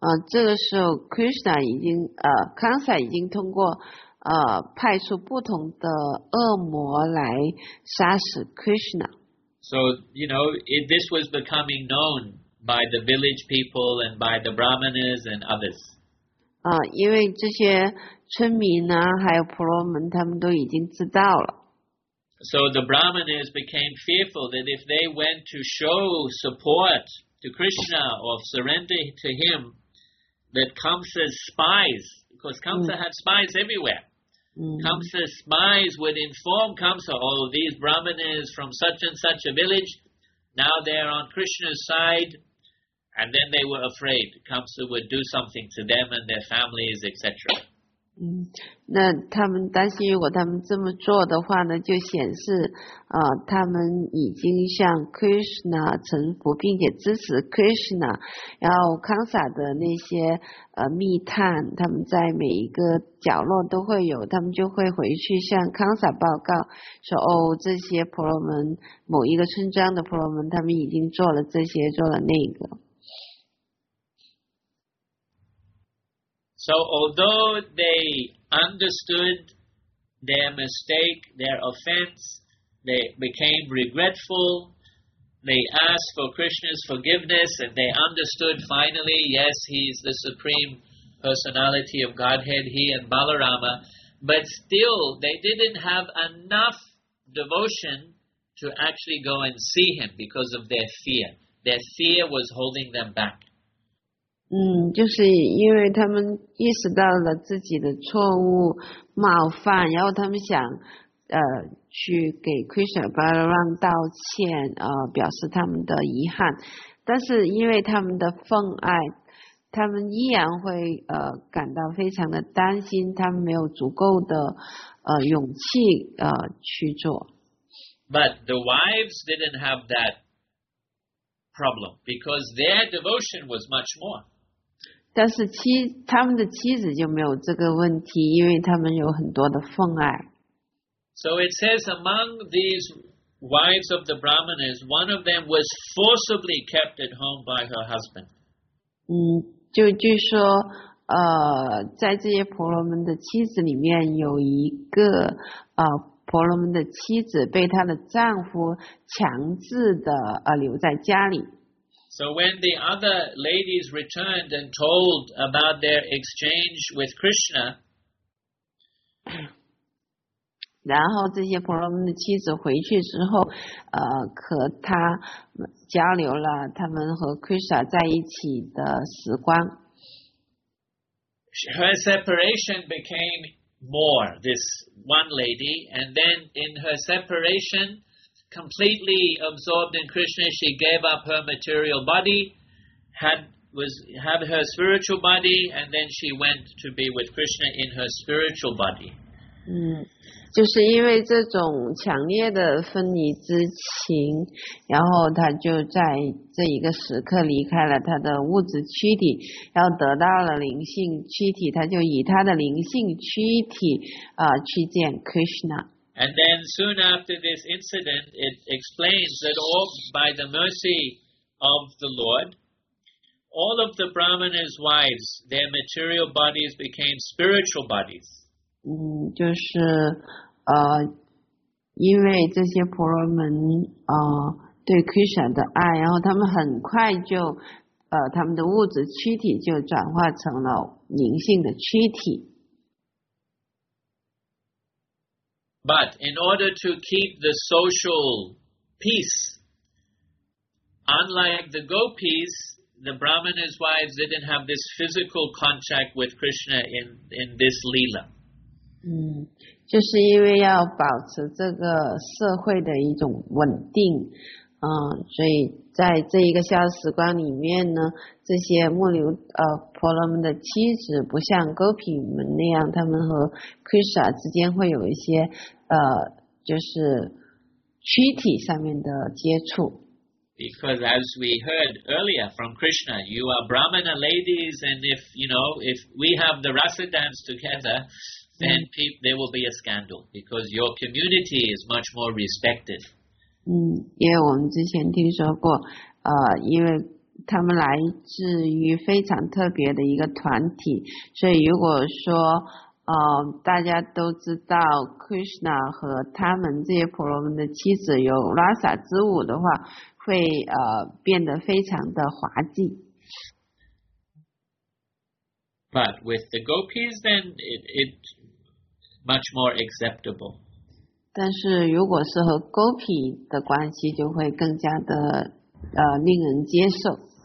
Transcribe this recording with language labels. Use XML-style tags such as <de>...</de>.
<zh>这个时候 Krishna 已经Kamsa 已经通过派出不同的恶魔来杀死 Krishna.</zh> <en>So, you know, this was becoming known by the village people and by the brahmanas and others.</en> <zh>因为这些村民啊，还有婆罗门，他们都已经知道了。</zh> <en>So the brahmanas became fearful that if they went to show support to Krishna or surrender to him, that Kamsa's spies, because Kamsa had spies everywhere, Kamsa's spies would inform Kamsa, oh, these brahmanas from such and such a village, now they're on Krishna's side, and then they were afraid Kamsa would do something to them and their families, etc.</en> <zh>那他们担心如果他们这么做的话呢，就显示他们已经向 Krishna 臣服，并且支持 Krishna。然后康萨的那些密探，他们在每一个角落都会有，他们就会回去向康萨报告说，哦，这些婆罗门，某一个村庄的婆罗门，他们已经做了这些，做了那个。</zh> <en>So although they understood their mistake, their offense, they became regretful, they asked for Krishna's forgiveness, and they understood finally, yes, he is the Supreme Personality of Godhead, he and Balarama, but still they didn't have enough devotion to actually go and see him because of their fear. Their fear was holding them back.</en> <zh>就是因为他们意识到了自己的错误冒犯，然后他们想去给 Krishna Balaram 道歉，表示他们的遗憾，但是因为他们的奉爱，他们依然会感到非常的担心，他们没有足够的勇气去做。</zh> <en>But the wives didn't have that problem because their devotion was much more.</en> <zh>但是他们的妻子就没有这个问题，因为他们有很多的奉爱。</zh> <en>So it says among these wives of the brahmanas, one of them was forcibly kept at home by her husband.</en> <zh>就据说在这些婆罗门的妻子里面有一个婆罗门的妻子被她的丈夫强制的留在家里。</zh> <en>So when the other ladies returned and told about their exchange with Krishna,</en> <zh>然后这些婆罗门的妻子回去之后，和他交流了他们和 Krishna 在一起的时光。</zh> <en>her separation became more, this one lady, and then in her separation, completely absorbed in Krishna, she gave up her material body, had her spiritual body, and then she went to be with Krishna in her spiritual body.</en> <zh>就是因为这种强烈的分离之情，然后他就在这一个时刻离开了他的物质躯体，然后得到了灵性躯体，他就以他的灵性躯体去见 Krishna。</zh> <en>And then soon after this incident, it explains that all by the mercy of the Lord, all of the Brahmana's wives, their material bodies became spiritual bodies.</en> <zh>就是因为这些婆罗门对 Krishna 的爱，然后他们很快就他们的物质躯体就转化成了灵性的躯体。</zh> <en>But in order to keep the social peace, unlike the gopis, the Brahmana's wives didn't have this physical contact with Krishna in this leela.</en> <zh>就是因为要保持这个社会的一种稳定，所以在这一个消时光里面呢，这些木流婆罗门的妻子不像勾品们那样，他们和 Krishna 之间会有一些就是躯体上面的接触。</zh> <en>Because as we heard earlier from Krishna, you are Brahmana ladies, and if you know if we have the rasa dance together. Then there will be a scandal because your community is much more respected.</en> <zh>因为我们之前听说过，因为他们来自于非常特别的一个团体，所以如果说大家都知道 Krishna 和他们这些婆罗门的妻子有 Rasa 之舞的话，会变得非常的滑稽。</zh> <en>But with the gopis, then it much more acceptable.</en> <zh>但是如果是和 gopi 的关系，就会更加的令人接受。</zh>